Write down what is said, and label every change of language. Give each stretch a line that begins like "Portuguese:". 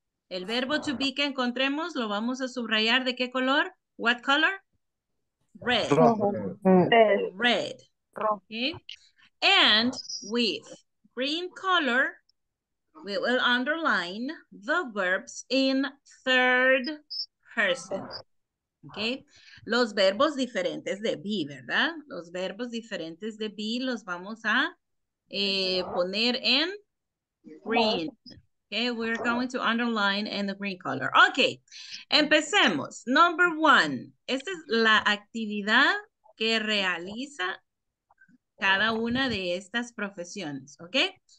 Spanish: El verbo to be que encontremos lo vamos a subrayar de qué color?
English: What color? Red. Red. Okay. And with green color, we will underline the verbs in third person.
Spanish: Okay, los verbos diferentes de be, ¿verdad? Los verbos diferentes de be los vamos a poner en green.
English: Okay, we're going to underline in the green color.
Spanish: Okay, empecemos. Number one, esta es la actividad que realiza cada una de estas profesiones, okay?